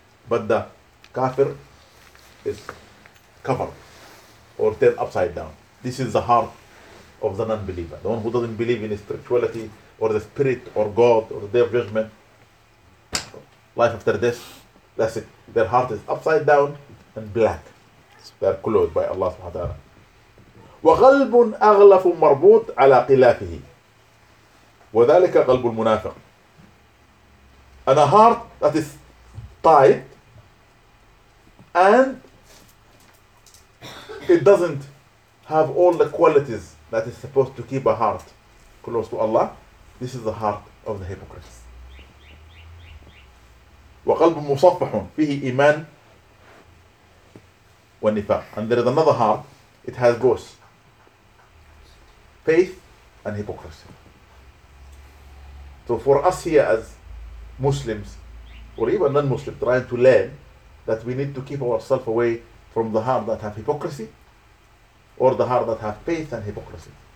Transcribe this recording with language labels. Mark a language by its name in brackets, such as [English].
[English] But the kafir is covered, or turned upside down. This is the heart of the non-believer, the one who doesn't believe in spirituality, or the spirit, or God, or the day of judgment. Life after death, that's it. Their heart is upside down and black. They are closed by Allah subhanahu wa ta'ala. [Arabic] وغلب أغلف مربوط على قلافه وذلك قلب المنافق. [English] And a heart that is tight and it doesn't have all the qualities that is supposed to keep a heart close to Allah, this is the heart of the hypocrites. [Arabic] وقلب مصفح فيه إيمان والنفاق. [English] And there is another heart, it has both faith and hypocrisy. So for us here as Muslims, or even non-Muslims, trying to learn that we need to keep ourselves away from the heart that have hypocrisy, or the heart that have faith and hypocrisy.